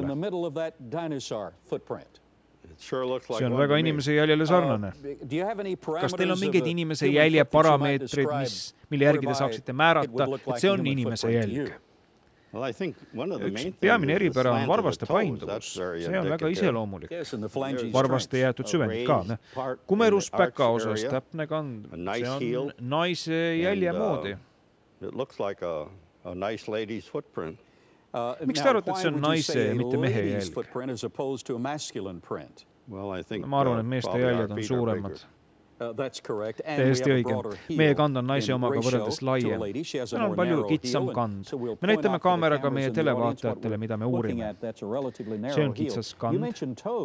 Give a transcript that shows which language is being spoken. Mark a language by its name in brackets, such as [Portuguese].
[English] In the middle of that dinosaur footprint. Sure looks like [Estonian] see on väga inimese jäljele sarnane. Kas teil on mingid inimese jälje parameetrid, mille järgi te saaksite määrata, et see on inimese jälg? [English] Well, I think one of the [Estonian] Üks peamine eripära on varvaste painduvus. See on väga iseloomulik. Varvaste jäetud süvendid ka. Kumerus päka osas täpne kand. See on naise jälje moodi. [English] It looks like a nice lady's footprint. [Estonian] Miks te arvate, et see on naise ja mitte mehe jälg? Ma arvan, et meeste jäljed on suuremad. Täiesti õige. Meie kand on naise omaga võrreldes laiem. See on palju kitsam kand. Me näitame kaameraga meie televaatajatele, mida me uurime. See on kitsas kand.